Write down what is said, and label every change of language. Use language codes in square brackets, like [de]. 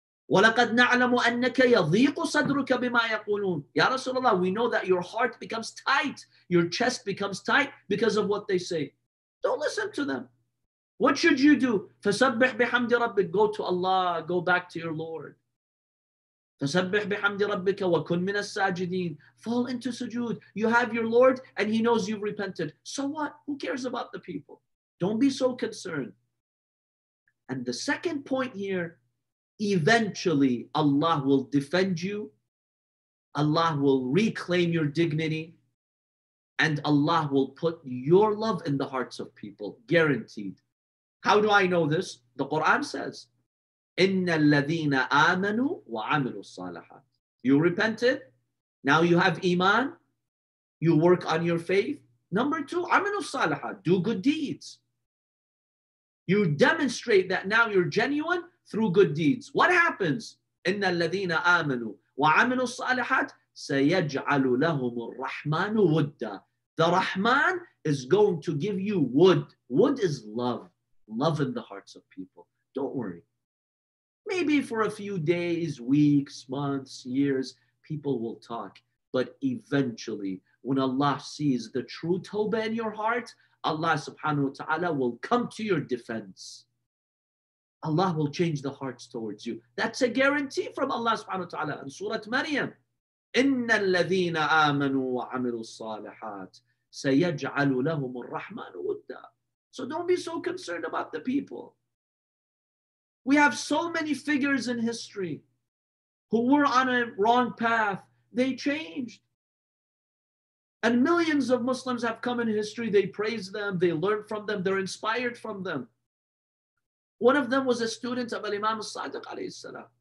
[ar] وَلَقَدْ نَعْلَمُ أَنَّكَ يَضِيقُ صَدْرُكَ بِمَا يَقُولُونَ [en] Ya Rasulullah, we know that your heart becomes tight. Your chest becomes tight because of what they say. Don't listen to them. What should you do? [ar] فَسَبِّحْ بِحَمْدِ رَبِّكَ [en] Go to Allah. Go back to your Lord. [ar] فَسَبِّحْ بِحَمْدِ رَبِّكَ وَكُنْ مِنَ السَّاجِدِينَ [en] Fall into sujood. You have your Lord and he knows you've repented. So what? Who cares about the people? Don't be so concerned. And the second point here, eventually Allah will defend you. Allah will reclaim your dignity. And Allah will put your love in the hearts of people. Guaranteed. How do I know this? The Quran says, [ar] إِنَّ الَّذِينَ آمَنُوا وَعَمِلُوا الصَّالَحَاتِ [en] You repented. Now you have iman. You work on your faith. Number two, [ar] عَمِلُوا الصَّالَحَاتِ [en] Do good deeds. You demonstrate that now you're genuine through good deeds. What happens? [ar] إِنَّ الَّذِينَ آمَنُوا وَعَمِلُوا الصَّالَحَاتِ سَيَجْعَلُ لَهُمُ الرَّحْمَنُ وُدَّ [en] The Rahman is going to give you wood. Wood is love. Love in the hearts of people. Don't worry. Maybe for a few days, weeks, months, years, people will talk. But eventually, when Allah sees the true tawbah in your heart, Allah subhanahu wa ta'ala will come to your defense. Allah will change the hearts towards you. That's a guarantee from Allah subhanahu wa ta'ala in Surah Maryam. [ar] إِنَّ الَّذِينَ آمَنُوا وَعَمِلُوا الصَّالِحَاتِ سَيَجْعَلُ لَهُمُ الرَّحْمَنُ وُدَّا [en] So don't be so concerned about the people. We have so many figures in history who were on a wrong path. They changed. And millions of Muslims have come in history. They praise them. They learn from them. They're inspired from them. One of them was a student of Al-Imam al-Sadiq alayhi salam.